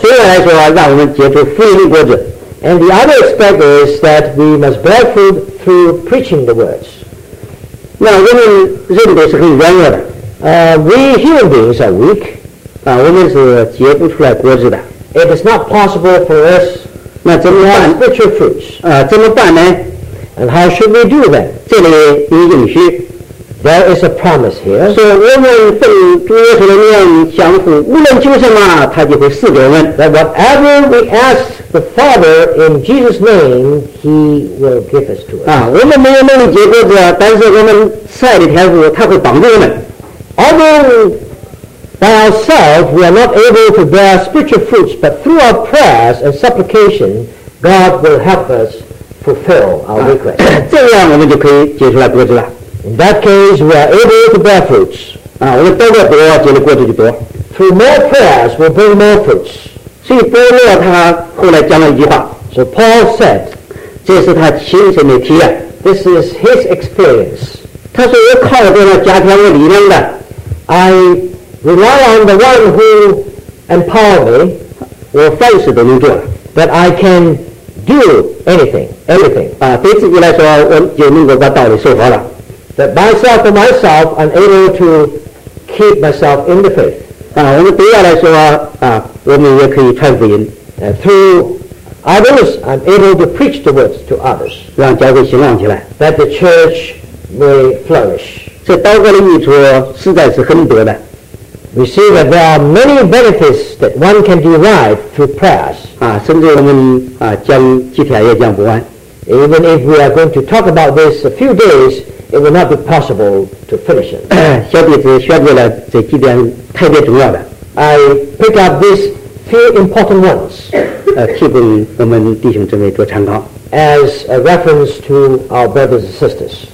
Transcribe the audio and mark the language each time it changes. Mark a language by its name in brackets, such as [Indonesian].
[Chinese] 对我来说啊，让我们结出福音的果子。 [English] And the other aspect is that we must bear fruit through preaching the words. [Chinese] 那我们人都是很软弱的。 [English] We human beings are weak. [Chinese] 啊，我们是结不出来果子的。 [English] It is not possible for us to have spiritual fruits. [Chinese] 怎么办呢? [English] And how should we do that? [Chinese] 这里有应许, [English] there is a promise here. So, [Chinese] 我们奉主耶稣的名祈求，无论求什么，他就会赐给我们。 [English] That whatever we ask the Father in Jesus' name, he will give us to us. [Chinese] 我们没有能力结果子，但是我们赐的天赋，他会帮助我们。 [English] By ourselves, we are not able to bear spiritual fruits, but through our prayers and supplication, God will help us fulfill our request. [Chinese] 这样我们就可以结出来果子了。 [English] In that case, we are able to bear fruits. [Chinese] 啊，我们祷告多，结的果子就多。 [English] Through more prayers, we'll bring more fruits. [Chinese] 所以保罗他后来讲了一句话。 [English] So Paul said, [Chinese] 这是他亲身的体验。 [English] This is his experience. [Chinese] 他说我靠着那加添我力量的。 [English] I rely on the one who empowered me, [Chinese] 我凡事都能做, [English] that I can do anything. [Chinese] 对自己来说，我就能够把道理守好了。 [English] That myself and myself, I'm able to keep myself in the faith. [Chinese] 我们对外来说，我们也可以传福音。 [English] And through others, I'm able to preach the words to others. [Chinese] 让教会兴旺起来。 [English] That the church may flourish. [Chinese] 这祷告的益处实在是很多的。 [English] We see that there are many benefits that one can derive through prayers. [Chinese] 甚至我们讲几天也讲不完。 [English] Even if we are going to talk about this a few days, it will not be possible to finish it. [Chinese] 小弟子选择了这几点特别重要的。 [English] I pick up these few important ones. [Chinese] 提供我们弟兄姊妹做参考。 [English] As a reference to our brothers and sisters.